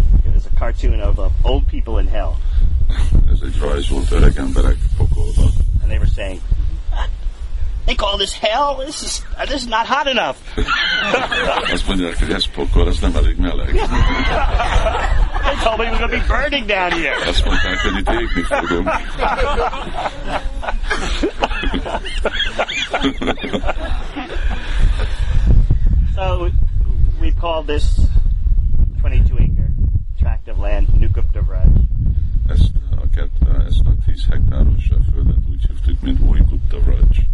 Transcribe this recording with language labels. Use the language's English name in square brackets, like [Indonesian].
[English] It was a cartoon of old people in hell. [Hungarian] Ez egy rajz volt öreg emberek pokolban. [English] And they were saying, they call this hell? This is not hot enough. [Hungarian] Azt mondják, hogy ez pokol, ez nem elég meleg. [English] They told me we're going to be burning down here. [Hungarian] Azt mondták, hogy itt égni fogom. [English] So we call this 22-acre tract of land Nukupta Vraj. [Hungarian] Ezt a 10 hektáros földet úgy hívtuk, mint Nukupta Vraj.